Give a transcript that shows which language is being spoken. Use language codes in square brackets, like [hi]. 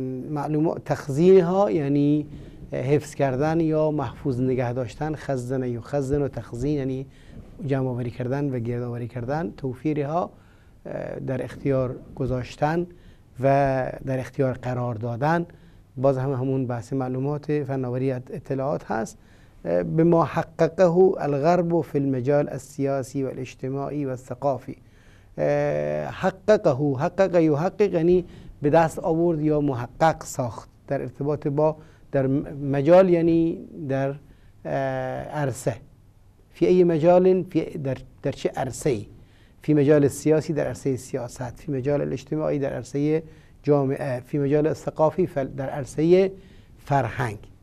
[fa] معلومات تخزینها یعنی حفظ کردن یا محفوظ نگه داشتن، خزنه یا خزن و تخزین یعنی جمع آوری کردن و گرد آوری کردن، توفیرها در اختیار گذاشتن و در اختیار قرار دادن، باز هم همون بحث معلومات فناوری اطلاعات هست. [ar] بما حققه الغرب في المجال السياسي والاجتماعي والثقافي. [fa] حققه، حقق يحقق، يعني به دست آورد یا محقق ساخت در ارتباط با در مجال، یعنی در عرصه، فی ای مجال، فی در چه عرصه، فی مجال سیاسی در عرصه سیاست، فی مجال اجتماعی در عرصه جامعه، فی مجال ثقافی در عرصه فرهنگ.